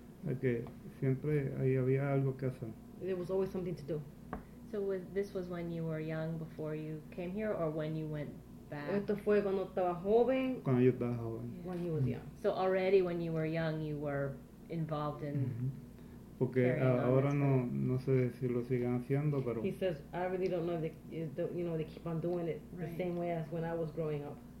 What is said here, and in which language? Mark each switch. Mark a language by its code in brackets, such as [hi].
[es] Okay. Siempre ahí había algo que hacer. [en] There was always something to do. So this was when you were young, before you came here, or when you went back? [es] Esto fue cuando estaba joven. Cuando yo estaba joven. [en] Yeah. When he was young. So already when you were young, you were involved in... [es] Porque ahora no sé si lo siguen haciendo, pero... [en] He says, I really don't know if they, you know, they keep on doing it the same way as when I was growing up.